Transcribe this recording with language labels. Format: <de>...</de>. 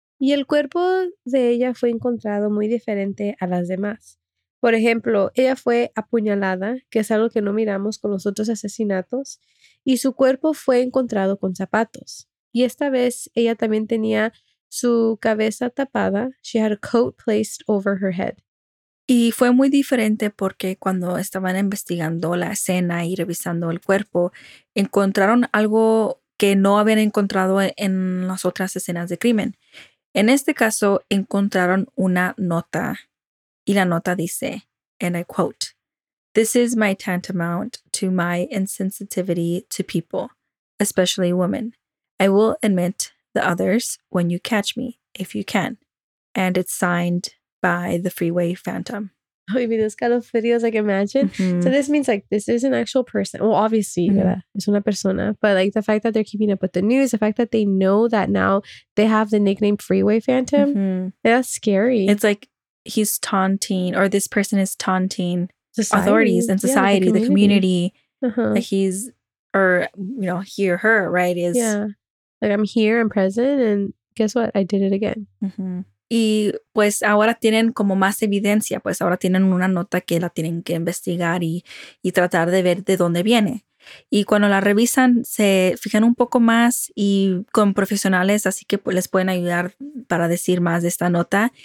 <es>Y el cuerpo de ella fue encontrado muy diferente a las demás. Por ejemplo, ella fue apuñalada, que es algo que no miramos con los otros asesinatos, y su cuerpo fue encontrado con zapatos. Y esta vez ella también tenía su cabeza tapada.</es> <en>She had a coat placed over her head.</en> <es>Y fue muy diferente porque cuando estaban investigando la escena y revisando el cuerpo, encontraron algo que no habían encontrado en las otras escenas de crimen. En este caso, encontraron una nota y la nota dice,</es> <en>and I quote, "This is my tantamount to my insensitivity to people, especially women. I will admit the others when you catch me, if you can." And it's signed by the Freeway Phantom. Oh, you mean those kind of videos, like, imagine? Mm-hmm. So this means, like, this is an actual person. Well, obviously, mm-hmm.</en> <es>es una persona.</es> <en>But, like, the fact that they're keeping up with the news, the fact that they know that now they have the nickname Freeway Phantom, mm-hmm. that's scary. It's like he's taunting, or this person is taunting society. Authorities and society, yeah, the community. Uh-huh. Like he's, or, you know, he or her, right, is... Yeah, like, I'm here, I'm present, and guess what? I did it again. Mm-hmm.</en> <es>Y pues ahora tienen como más evidencia, pues ahora tienen una nota que la tienen que investigar y tratar de ver de dónde viene. Y cuando la revisan, se fijan un poco más y con profesionales, así que pues, les pueden ayudar para decir más de esta nota.</es>